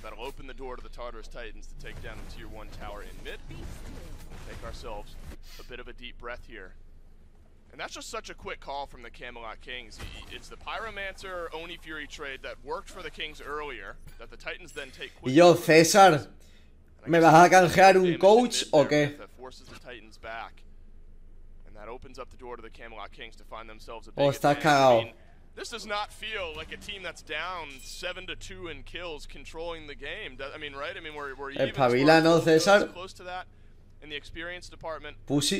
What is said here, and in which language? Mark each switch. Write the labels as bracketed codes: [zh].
[en] That'll open the door to the Tartarus Titans to take down the tier 1 tower in mid. We'll take ourselves a bit of a deep breath here. And that's just such a quick call from the Camelot Kings. It's the Pyromancer Oni Fury trade that worked for the Kings earlier that the Titans then take quickly. [es] Yo, César, ¿me vas a canjear un coach o qué? [en] That forces the Titans back. And that opens up the door to the Camelot Kings to find themselves a big advantage. This does not feel like a team that's down 7-2 in kills controlling the game. I mean, right? I mean, we're even close to that in the experience department. Pussy.